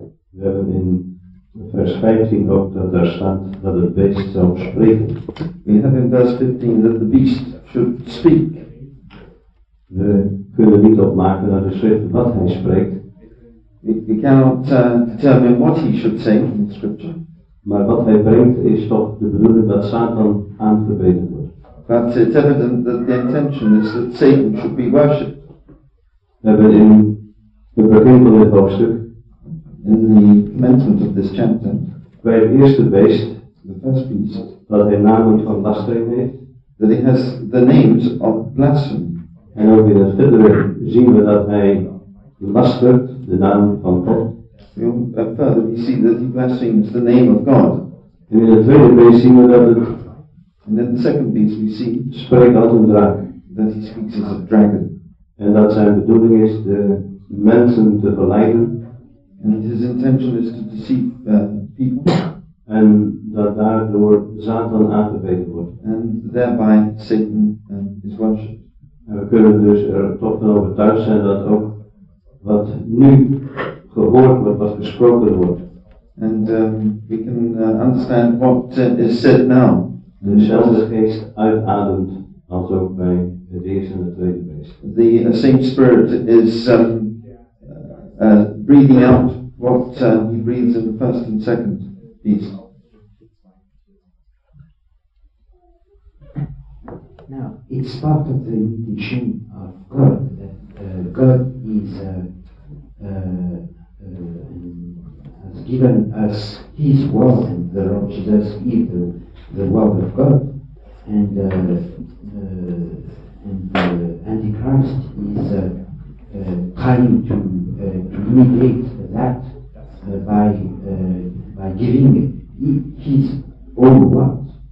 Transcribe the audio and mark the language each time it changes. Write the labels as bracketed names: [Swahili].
[Dutch] We hebben in vers 15 ook dat daar staat dat het beest zou spreken. We hebben in vers 15 dat [English] the beast should speak. [Dutch] We kunnen niet opmaken uit de schrift wat hij spreekt. [English] We cannot determine what he should say in the scripture. [Dutch] Maar wat hij brengt is toch de bedoeling dat Satan aangebeden wordt. [English] But it's evident that the intention is that Satan should be worshipped. [Dutch] We hebben in het begin van dit hoofdstuk, [English] in the commencement of this chapter, [Dutch] bij het eerste beest, [English] the first beast, [Dutch] dat hij namen van blasfeme heeft, [English] that it has the names of blasphemy. [Dutch] En ook in het verdere zien we dat hij lastert de naam van God. [English] Further, we see that he blasphemes the name of God. [Dutch] En in het tweede beest zien we dat het, [English] and then the second beast we see, [Dutch] spreekt als een draak, [English] that he speaks as a dragon. [Dutch] En dat zijn bedoeling is de mensen te verleiden. [English] And his intention is to deceive people. [Dutch] En dat daardoor Satan aangebeden wordt. [English] And thereby Satan is worshipped. [Dutch] En we kunnen dus er toch van overtuigd zijn dat ook wat nu gehoord wordt, wat gesproken wordt. [English] And we can understand what is said now. [Dutch] Dezelfde geest uitademt als ook bij het eerste en het tweede beest. [English] The same spirit is breathing out what he breathes in the first and second beast. Now, it's part of the intention of God that God is has given us his word, and the Lord Jesus is the word of God, and the Antichrist is trying to imitate that by giving his own word.